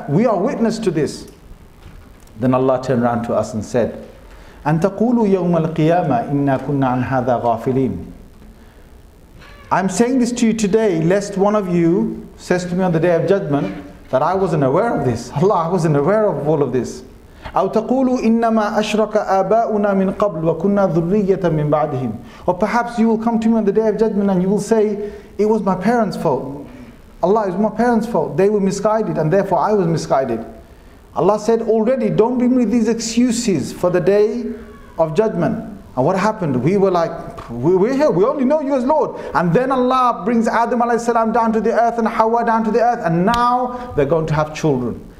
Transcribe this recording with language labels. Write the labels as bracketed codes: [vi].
[en] We are witness to this. Then Allah turned around to us and said, [ar] Antaqulu yawm al-qiyama inna kunna an hadha ghafilin. [en] I'm saying this to you today, lest one of you says to me on the Day of Judgment that I wasn't aware of this. Allah, I wasn't aware of all of this. [ar] أو تقولوا إنما أشرك آباؤنا من قبل وكنا ذرية من بعدهم. [en] Or perhaps you will come to me on the Day of Judgment and you will say, it was my parents' fault. Allah, it was my parents' fault. They were misguided and therefore I was misguided. Allah said already, don't bring me these excuses for the Day of Judgment. And what happened? We were like, we're here, we only know you as Lord. And then Allah brings Adam alayhi salam down to the earth and Hawa down to the earth, and now they're going to have children.